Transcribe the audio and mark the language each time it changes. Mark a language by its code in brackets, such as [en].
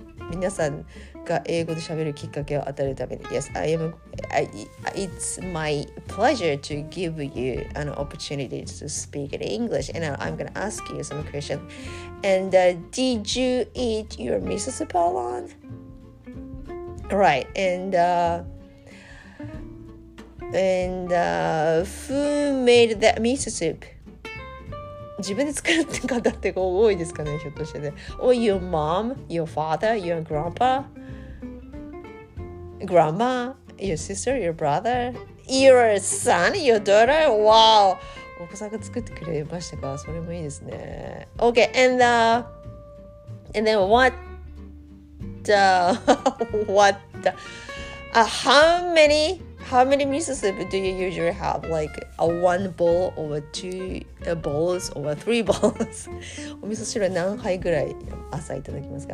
[ja] 皆さんが英語で喋るきっかけを与えるために。 [en] Yes, it's my pleasure to give you an opportunity to speak in English. And I'm going to ask you some questions. And did you eat your miso soup all on? Right. And who made that miso soup? [ja] 自分で作った方って多いですかね、ひょっとしてね。 [en] Or your mom, your father, your grandpa, grandma, your sister, your brother, your son, your daughter. Wow! [ja] お子さんが作ってくれましたか、それもいいですね。 [en] Okay, and then how many miso soup do you usually have? Like a one bowl or two bowls or three bowls? [ja] お味噌汁何杯ぐらい朝いただきますか?